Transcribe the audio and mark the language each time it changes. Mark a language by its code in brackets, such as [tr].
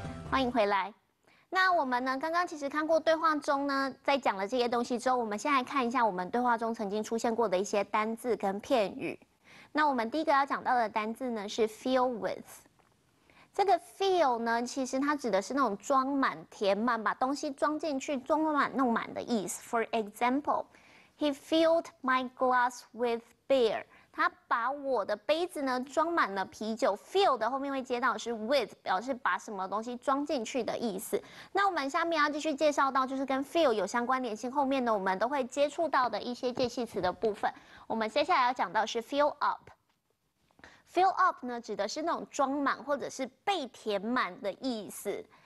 [zh] 欢迎回来。那我们呢？刚刚其实看过对话中呢，在讲了这些东西之后，我们先来看一下我们对话中曾经出现过的一些单字跟片语。那我们第一个要讲到的单字呢是 fill with。这个 fill 呢，其实它指的是那种装满、填满，把东西装进去、装满、弄满的意思。 [en] For example, he filled my glass with beer. [zh] 他把我的杯子呢装满了啤酒。Fill 的后面会接到是 with， 表示把什么东西装进去的意思。那我们下面要继续介绍到就是跟 fill 有相关联性，后面呢我们都会接触到的一些介系词的部分。我们接下来要讲到是 fill up。Fill up 呢指的是那种装满或者是被填满的意思。